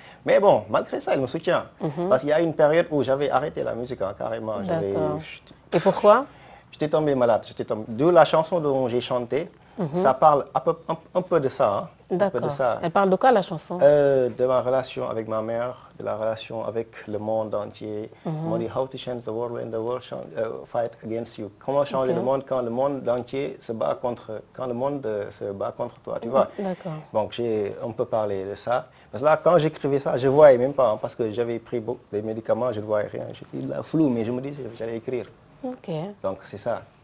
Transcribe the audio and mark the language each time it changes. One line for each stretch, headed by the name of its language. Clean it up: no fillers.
French: Mais bon, malgré ça, elle me soutient. Parce qu'il y a une période où j'avais arrêté la musique, hein, carrément. Et pourquoi? J'étais tombé malade. D'où la chanson dont j'ai chanté, ça parle un peu de ça. Hein. D'accord. Elle parle de quoi, la chanson? De ma relation avec ma mère, de la relation avec le monde entier.
English: Money, how to change the world when the world fight against you.
French: Comment changer le monde quand le monde entier se bat contre, quand le monde se bat contre toi, tu vois? D'accord. Donc, j'ai un peu parlé de ça. Parce que là, quand j'écrivais ça, je ne voyais même pas, hein, parce que j'avais pris beaucoup de médicaments, je ne voyais rien. J'étais là, flou, mais je me disais que j'allais écrire. Ok. Donc, c'est ça.